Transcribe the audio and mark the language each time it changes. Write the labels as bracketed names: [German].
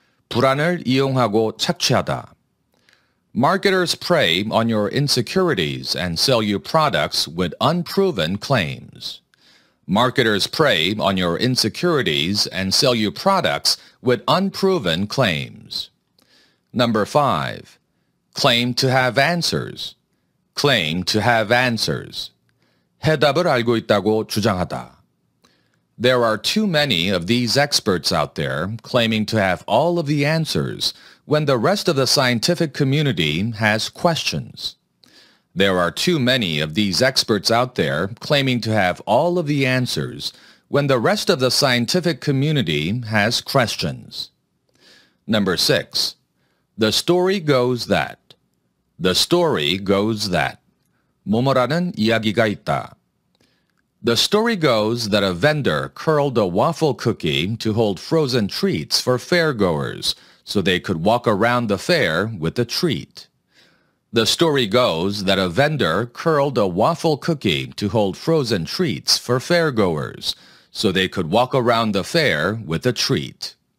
[Korean] 불안을 이용하고 착취하다. [English] Marketers prey on your insecurities and sell you products with unproven claims. Marketers prey on your insecurities and sell you products with unproven claims. Number 5. Claim to have answers. Claim to have answers. [Korean] 해답을 알고 있다고 주장하다. [English] There are too many of these experts out there claiming to have all of the answers when the rest of the scientific community has questions. There are too many of these experts out there claiming to have all of the answers when the rest of the scientific community has questions. Number 6. The story goes that. The story goes that. [Korean] 뭐뭐라는 이야기가 있다. [English] The story goes that a vendor curled a waffle cookie to hold frozen treats for fairgoers so they could walk around the fair with a treat. The story goes that a vendor curled a waffle cookie to hold frozen treats for fairgoers, so they could walk around the fair with a treat.